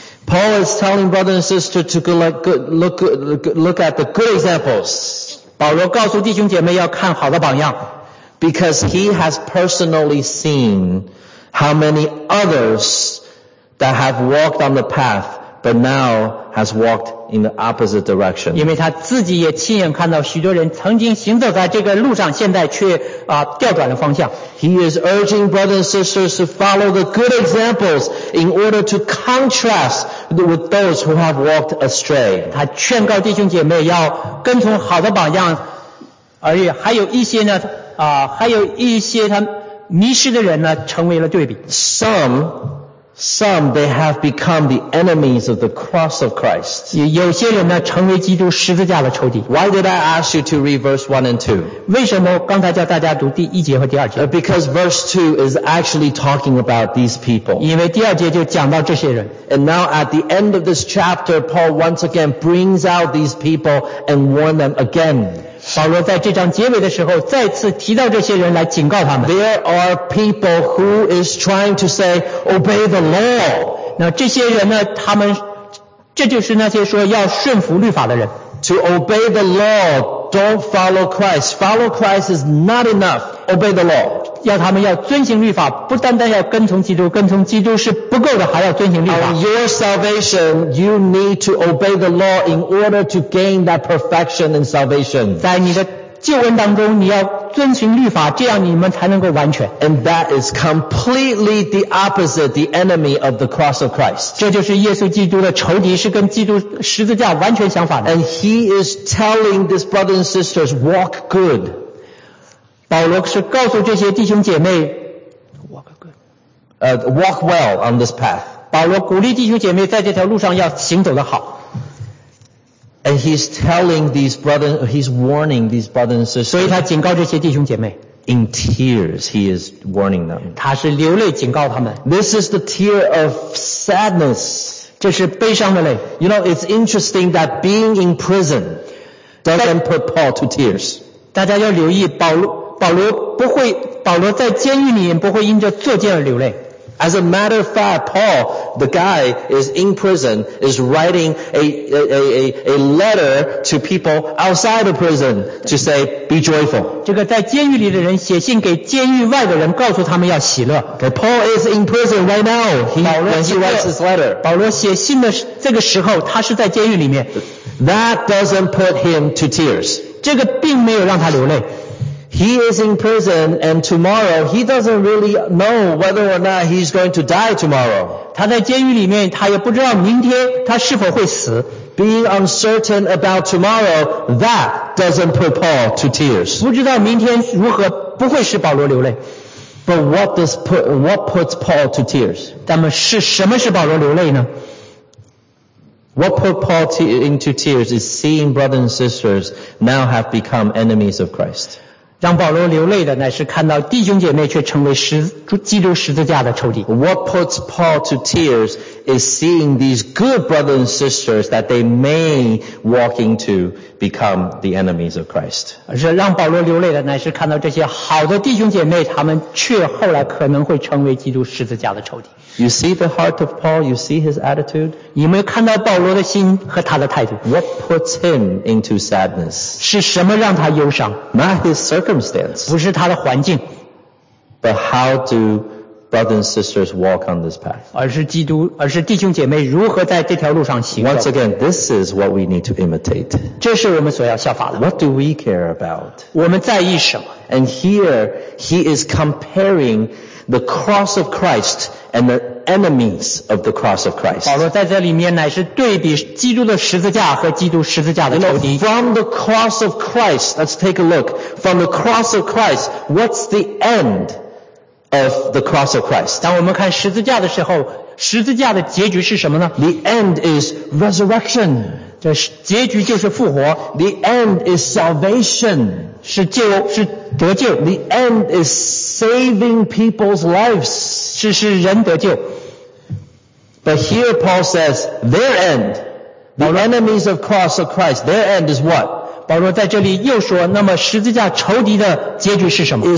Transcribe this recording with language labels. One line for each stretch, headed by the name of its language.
English: Paul is telling brothers and sisters to look at the good examples.
Chinese: 保罗告诉弟兄姐妹要看好的榜样
English: ，because he has personally seen how many others that have walked on the path, but now has walked in the opposite direction.
Chinese: 因为他自己也亲眼看到许多人曾经行走在这个路上，现在却调转了方向。
English: He is urging brothers and sisters to follow the good examples in order to contrast with those who have walked astray.
Chinese: 他劝告弟兄姐妹要跟从好的榜样，而且还有一些呢还有一些他迷失的人呢，成为了对比。
English: Some they have become the enemies of the cross of Christ.
Chinese: 有些人呢成为基督十字架的仇敌。
English: Why did I ask you to read verse 1 and 2?
Chinese: 为什么刚才叫大家读第一节和第二节？
English: Because verse 2 is actually talking about these people.
Chinese: 因为第二节就讲到这些人。
English: And now at the end of this chapter, Paul once again brings out these people and warns them again.
Chinese: 保罗在这章结尾的时候再次提到这些人来警告他们。
English: There are people who is trying to say obey the law.
Chinese: 那这些人呢，他们这就是那些说要顺服律法的人。
English: To obey the law, don't follow Christ. Follow Christ is not enough. Obey the law.
Chinese: 要他们要遵行律法，不单单要跟从基督，跟从基督是不够的，还要遵行律法。
English: On your salvation, you need to obey the law in order to gain that perfection in salvation.
Chinese: 在你的救恩当中，你要遵行律法，这样你们才能够完全。
English: And that is completely the opposite, the enemy of the cross of Christ.
Chinese: 这就是耶稣基督的仇敌，是跟基督十字架完全相反的。
English: And he is telling these brothers and sisters, walk good.
Chinese: 保罗是告诉这些弟兄姐妹
English: walk well on this path.
Chinese: 保罗鼓励弟兄姐妹在这条路上要行走得好。
English: And he's telling these brothers, he's warning these brothers and sisters.
Chinese: 所以他警告这些弟兄姐妹。
English: In tears, he is warning them.
Chinese: 他是流泪警告他们。
English: This is the tear of sadness.
Chinese: 这是悲伤的泪。
English: You know, it's interesting that being in prison doesn't put Paul to tears.
Chinese: 大家要留意保罗在监狱里不会因着作奸而流泪。
English: As a matter of fact, Paul, the guy is in prison, is writing a letter to people outside of prison to say, be joyful.
Chinese: 这个在监狱里的人写信给监狱外的人，告诉他们要喜乐。
English: Okay, Paul is in prison right now, when he writes his letter.
Chinese: 保罗写信的这个时候，他是在监狱里面。
English: That doesn't put him to tears.
Chinese: 这个并没有让他流泪。
English: He is in prison, and tomorrow he doesn't really know whether or not he's going to die tomorrow.
Chinese: 他在监狱里面，他也不知道明天他是否会死。
English: Being uncertain about tomorrow, that doesn't put Paul to tears.
Chinese: 不知道明天如何，不会使保罗流泪。
English: But what puts Paul to tears?
Chinese: 那么是什么使保罗流泪呢？
English: What put Paul into tears is seeing brothers and sisters now have become enemies of Christ.
Chinese: 让保罗流泪的乃是看到弟兄姐妹却成为基督十字架的仇敌。
English: What puts Paul to tears is seeing these good brothers and sisters that they may walk into become the enemies of Christ.
Chinese: 让保罗流泪的乃是看到这些好的弟兄姐妹，他们却后来可能会成为基督十字架的仇敌。
English: You see the heart of Paul, you see his attitude?
Chinese: 你们看到保罗的心和他的态度。
English: What puts him into sadness?
Chinese: 是什么让他忧伤？
English: Not his circumstance.
Chinese: 不是他的环境。
English: But how do brothers and sisters walk on this path?
Chinese: 而是弟兄姐妹如何在这条路上行走。
English: Once again, this is what we need to imitate.
Chinese: 这是我们所要效法的。
English: What do we care about?
Chinese: 我们在意什么？
English: And here, he is comparing the cross of Christ and the enemies of the cross of Christ.
Chinese: 保罗在这里面乃是对比基督的十字架和基督十字架的仇敌。
English: And from the cross of Christ, let's take a look. From the cross of Christ, what's the end of the cross of Christ?
Chinese: 当我们看十字架的时候，十字架的结局是什么呢？
English: The end is resurrection.
Chinese: 这结局就是复活。
English: The end is salvation.
Chinese: 是救，是得救。
English: The end is saving people's lives.
Chinese: 是人得救。
English: But here Paul says, their end, the enemies of cross of Christ, their end is what?
Chinese: 保罗在这里又说，那么十字架仇敌的结局是什么？